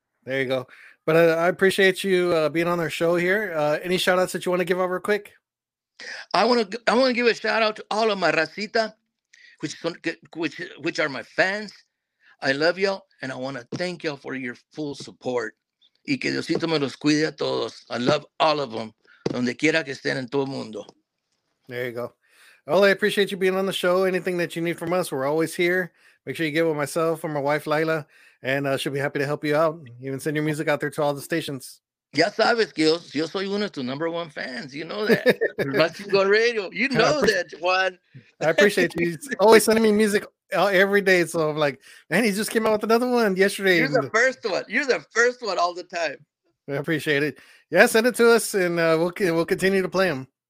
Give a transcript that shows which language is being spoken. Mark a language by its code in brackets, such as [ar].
[en] There you go. But I appreciate you being on our show here. Any shout outs that you want to give out real quick? I want to give a shout out to all of my racita, which are my fans. I love y'all, and I want to thank y'all for your full support. [es] Y que Diosito me los cuide a todos. [en] I love all of them, [es] donde quiera que estén en todo el mundo. [en] There you go. Well, I appreciate you being on the show. Anything that you need from us, we're always here. Make sure you get with myself or my wife, Lila, and she'll be happy to help you out. Even send your music out there to all the stations. [es] Ya sabes que yo soy uno de tus [en] number one fans. You know that. Mexico Radio. You know that, Juan. I appreciate you. He's always sending me music every day. So I'm like, man, he just came out with another one yesterday. You're the first one. You're the first one all the time. I appreciate it. Yeah, send it to us, and we'll continue to play them.